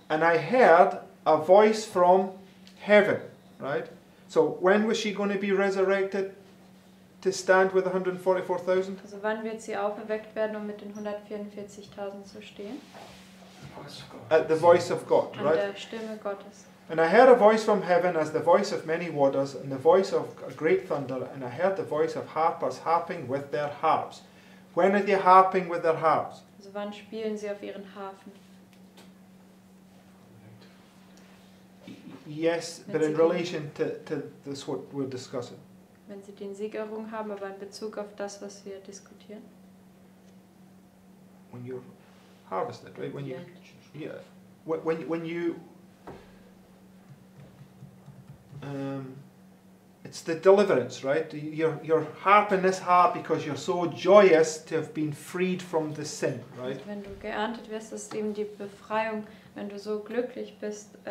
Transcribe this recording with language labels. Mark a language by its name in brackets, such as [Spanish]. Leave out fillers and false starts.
[English] And I heard a voice from heaven, right? So when was she going to be resurrected to stand with 144,000? [German] Also wann wird sie auferweckt werden, um mit den 144,000 zu stehen? [English] At the voice of God, right? [German] An der Stimme Gottes. [English] And I heard a voice from heaven as the voice of many waters, and the voice of a great thunder, and I heard the voice of harpers harping with their harps. When are they harping with their harps? [German] Also wann spielen sie auf ihren Harfen? [English] Yes, but in relation to this what we're discussing. [German] Wenn sie den Sieg errungen haben, aber in Bezug auf das, was wir diskutieren. [English] When you're harvested, right? When you, yeah. When you. It's the deliverance, right? You're harping this harp because you're so joyous to have been freed from the sin, right? [German] Wenn du geerntet wirst, ist eben die Befreiung, wenn du so glücklich bist.